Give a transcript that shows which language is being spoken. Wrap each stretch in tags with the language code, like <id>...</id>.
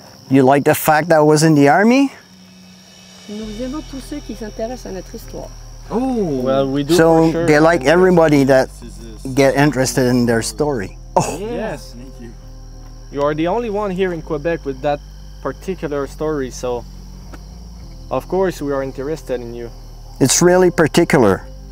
<en>You like the fact that I was in the army?</en> <fr>Nous aimons tous ceux qui s'intéressent à notre histoire.</fr> <en>Oh, well, we do. So sure. They like everybody that get interested in their story. Oh, yes, thank you. You are the only one here in Quebec with that particular story, so of course we are interested in you. It's really particular.</en>